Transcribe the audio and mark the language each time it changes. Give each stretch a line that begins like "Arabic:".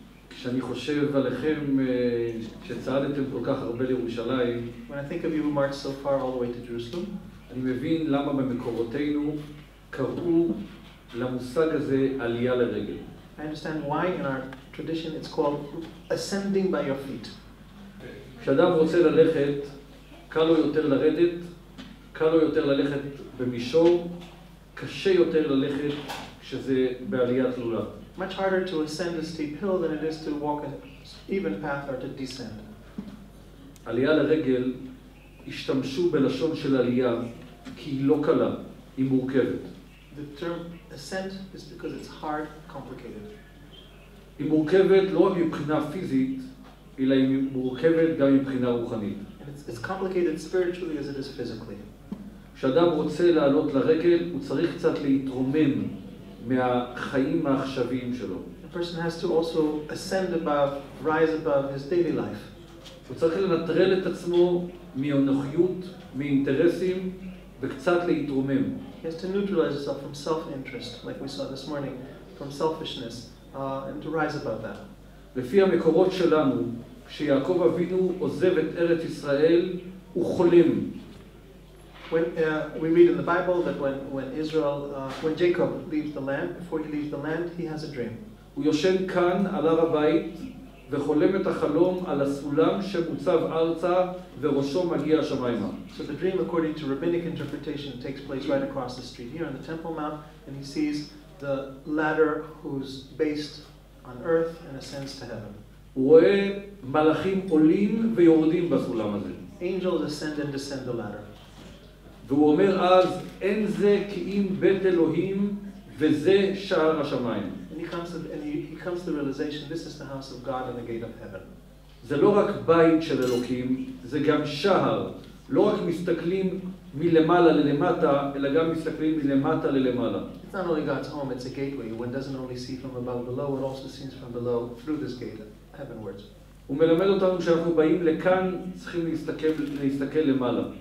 Hebrew: כשאני חושב עליכם שצעדתם כל כך הרבה לירושלים.
English: When I think of you who marched so far all the way to Jerusalem.
Hebrew: אני מבין למה במקורותינו קראו למושג הזה עלייה לרגל.
English: I understand why in our tradition it's called ascending by your feet.
Hebrew: כשאדם רוצה ללכת, קל לו יותר לרדת, קל לו יותר ללכת במישור, קשה יותר ללכת כשזה בעלייה תלולה.
English: Much harder to ascend a steep hill than it is to walk an even path or to descend.
Hebrew: עלייה לרגל השתמשו בלשון של עלייה כי היא לא קלה, היא מורכבת.
English: The term ascent is because it's hard, complicated.
Hebrew: היא מורכבת לא רק מבחינה פיזית, אלא היא מורכבת גם מבחינה רוחנית.
English: And it's complicated spiritually as it is physically.
Hebrew: כשאדם רוצה לעלות לרגל, הוא צריך קצת להתרומם מהחיים העכשוויים שלו.
English: A person has to also ascend above, rise above his daily life.
Hebrew: הוא צריך לנטרל את עצמו מאנוכיות, מאינטרסים, וקצת להתרומם.
English: He has to neutralize himself from self-interest, like we saw this morning, from selfishness, and to rise above that.
Hebrew: לפי המקורות שלנו, כשיעקב אבינו עוזב את ארץ ישראל, הוא חולם.
English: When we read in the Bible that when Jacob leaves the land, before he leaves the land, he has a dream.
Hebrew: הוא יושן כאן על הר הבית וחולם את החלום על הסולם שמוצב ארצה וראשו מגיע השמיימה.
English: So the dream according to rabbinic interpretation takes place right across the street here on the Temple Mount and he sees the ladder who's based on earth and ascends to heaven.
Hebrew: הוא רואה מלאכים עולים ויורדים בסולם הזה.
English: Angels ascend and descend the ladder.
Hebrew: והוא אומר אז, אין זה כי אם בית אלוהים וזה שער השמיים.
English: And he comes to the realization, this is the house of God and the gate of heaven.
Hebrew: זה לא רק בית של אלוקים, זה גם שער. לא רק מסתכלים מלמעלה ללמטה, אלא גם מסתכלים מלמטה ללמעלה.
English: It's not only God's home, it's a gateway. One doesn't only see from above below, it also sees from below through this gate heavenwards.
Hebrew: הוא מלמד אותנו שאנחנו באים לכאן, צריכים להסתכל למעלה.